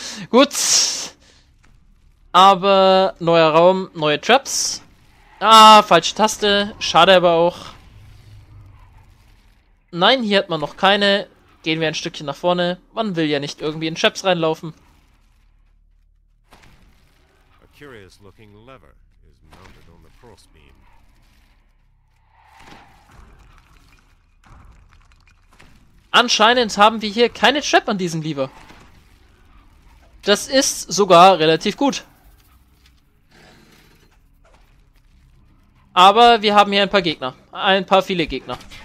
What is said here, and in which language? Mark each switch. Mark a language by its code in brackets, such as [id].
[de] gut. Aber neuer Raum, neue Traps. Ah, falsche Taste. Schade aber auch. Nein, hier hat man noch keine. Gehen wir ein Stückchen nach vorne. Man will ja nicht irgendwie in Traps reinlaufen. [en] A curious-looking lever is mounted on the crossbeam. [de] Anscheinend haben wir hier keine Trap an diesem Lever. Das ist sogar relativ gut. Aber wir haben hier ein paar Gegner. Ein paar viele Gegner.